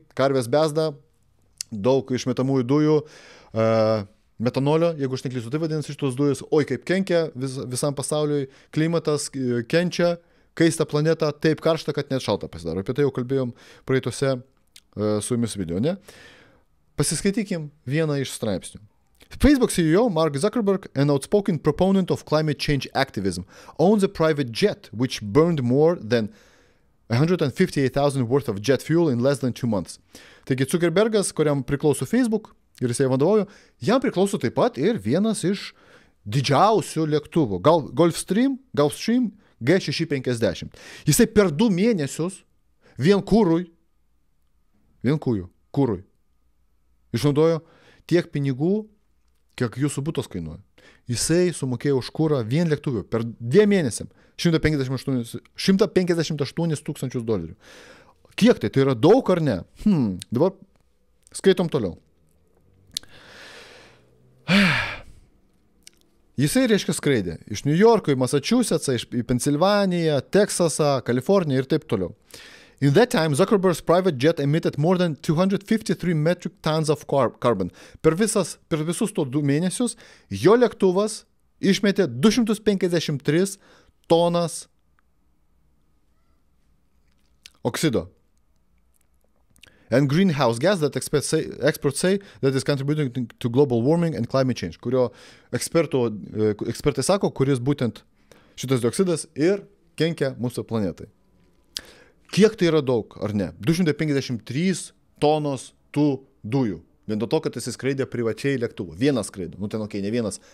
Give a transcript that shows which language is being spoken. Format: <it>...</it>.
<lt>Karvės bezda, daug išmetamųjų dujų, metanolio, jeigu aš neklysiu, tai vadinasi šitos dujos. Oi, kaip kenkia visam pasauliui, klimatas kenčia, kaista planeta, taip karšta, kad net šalta pasidaro. Apie tai jau kalbėjom praeituose su jumis video, ne? Pasiskaitykim vieną iš straipsnių.</lt> <en>Facebook CEO Mark Zuckerberg, an outspoken proponent of climate change activism, owns a private jet which burned more than 158,000 worth of jet fuel in less than 2 months.</en> <lt>Taigi Zuckerbergas, kuriam priklauso Facebook ir jisai vadovauja, jam priklauso taip pat ir vienas iš didžiausių lėktuvų. Gulfstream G650. Jisai per 2 mėnesius vien kūrui. Išnaudojo tiek pinigų, kiek jūsų butos kainuoja. Jisai sumokėjo už kūrą vien lėktuviu per 2 mėnesiam 158 tūkstančius dolerių. Kiek tai? Tai yra daug ar ne? Dabar skaitom toliau. Jisai, reiškia, skraidė iš New Yorko į Massachusetts, į Pensilvaniją, Teksasą, Kaliforniją ir taip toliau.</lt> <en>In that time, Zuckerberg's private jet emitted more than 253 metric tons of carbon.</en> <lt>Per visus to 2 mėnesius, jo lėktuvas išmetė 253 tonas oksido.</lt> <en>And greenhouse gas that experts say that is contributing to global warming and climate change.</en> <lt>Kurio ekspertai sako, kuris būtent šitas dioksidas ir kenkia mūsų planetai. Kiek tai yra daug, ar ne? 253 tonos tų dujų. Vien dėl to, kad jisai skraidė privačiai lėktuvų. Vienas skraidė. Nu, ten, okei, ne vienas.</lt>